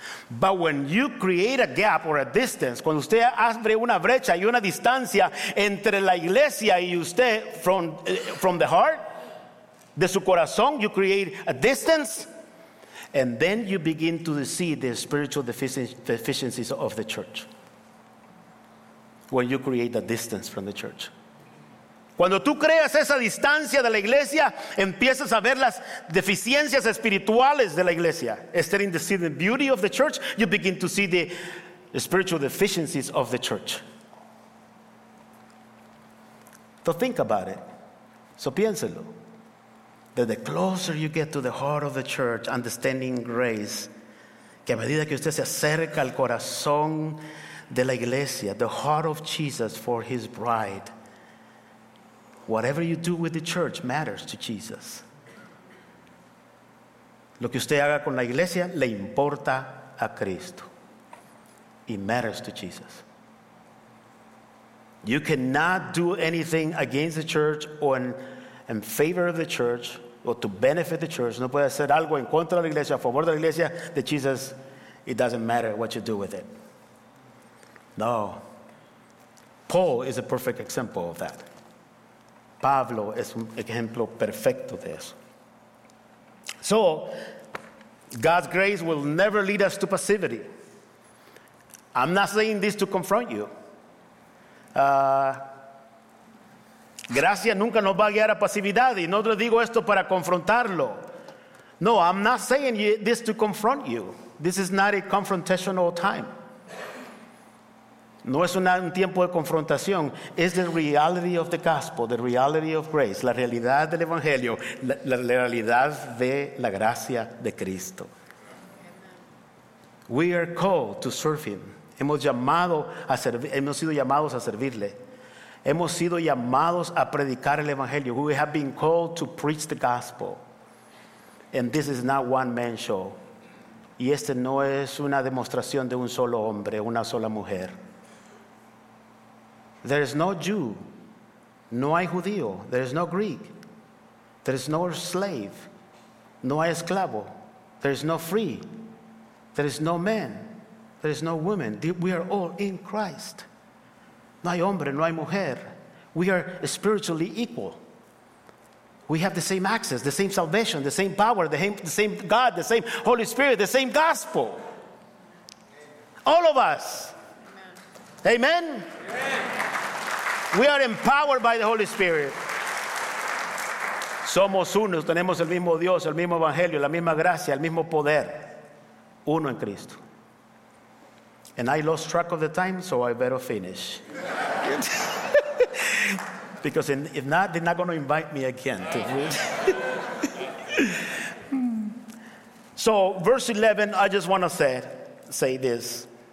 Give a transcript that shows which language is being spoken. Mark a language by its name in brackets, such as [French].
[English] But when you create a gap or a distance, [Spanish] cuando usted abre una brecha y una distancia entre la iglesia y usted [English] from the heart, [Spanish] de su corazón, [English] you create a distance, and then you begin to see the spiritual deficiencies of the church. When you create a distance from the church. [Spanish] Cuando tú creas esa distancia de la iglesia, empiezas a ver las deficiencias espirituales de la iglesia. [English] Instead of seeing the beauty of the church, you begin to see the spiritual deficiencies of the church. So think about it. [Spanish] So piénselo. [English] That the closer you get to the heart of the church, understanding grace, [Spanish] que a medida que usted se acerca al corazón de la iglesia, [English] the heart of Jesus for his bride, whatever you do with the church matters to Jesus. [Spanish] Lo que usted haga con la iglesia le importa a Cristo. [English] It matters to Jesus. You cannot do anything against the church or in favor of the church or to benefit the church. [Spanish] No puede hacer algo en contra de la iglesia, a favor de la iglesia, de Jesus. [English] It doesn't matter what you do with it. No. Paul is a perfect example of that. [Spanish] Pablo es un ejemplo perfecto de eso. [English] So, God's grace will never lead us to passivity. I'm not saying this to confront you. [Spanish] Gracia nunca nos va a guiar a pasividad, y no le digo esto para confrontarlo. [English] No, I'm not saying this to confront you. This is not a confrontational time. [Spanish] No es un tiempo de confrontación. Es [English] the reality of the gospel, the reality of grace, [Spanish] la realidad del evangelio, la realidad de la gracia de Cristo. [English] We are called to serve him. [Spanish] Hemos sido llamados a servirle. Hemos sido llamados a predicar el evangelio. [English] We have been called to preach the gospel. And this is not one man show. [Spanish] Y este no es una demostración de un solo hombre, una sola mujer. [English] There is no Jew. [Spanish] No hay judío. [English] There is no Greek. There is no slave. [Spanish] No hay esclavo. [English] There is no free. There is no man. There is no woman. We are all in Christ. [Spanish] No hay hombre, no hay mujer. [English] We are spiritually equal. We have the same access, the same salvation, the same power, the same God, the same Holy Spirit, the same gospel. All of us. Amen. Amen? Amen. We are empowered by the Holy Spirit. [Spanish] Somos unos, tenemos el mismo Dios, el mismo evangelio, la misma gracia, el mismo poder. Uno en Cristo. [English] And I lost track of the time, so I better finish. Because if not, they're not going to invite me again. To read. So, verse 11, I just want to say this.